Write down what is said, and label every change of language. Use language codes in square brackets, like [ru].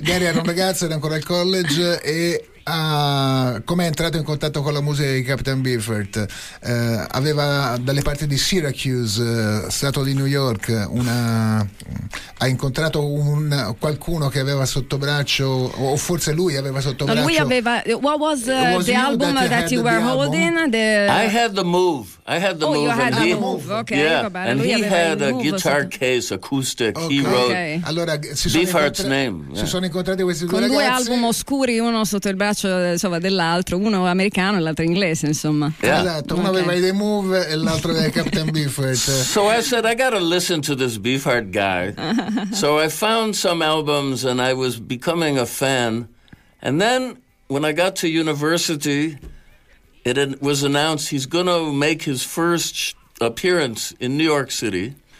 [it] Gary era un ragazzo, era ancora al college, e come è entrato in contatto con la musica di Captain Beefheart? Aveva dalle parti di Syracuse, stato di New York, ha incontrato qualcuno che aveva sotto braccio, o forse lui aveva sotto braccio. Lui aveva. [en] What was the album that you were holding? I had the move. I had the move. Oh, you had the move. Okay. Yeah. And he had a guitar case, acoustic. Okay. He wrote. Okay. [it] Allora, [en] Beefheart's name. Yeah. [it] Si sono incontrati questi con due ragazzi. Con due album oscuri, uno sotto il braccio, insomma, dell'altro, uno americano e l'altro inglese, insomma. [en] Yeah. [it] Esatto. Uno aveva i The Move e l'altro aveva Captain Beefheart. [en] So I said, I gotta listen to this Beefheart guy. So I found some albums and I was becoming a fan. And then when I got to university, it was announced he's going to make his first appearance in New York City.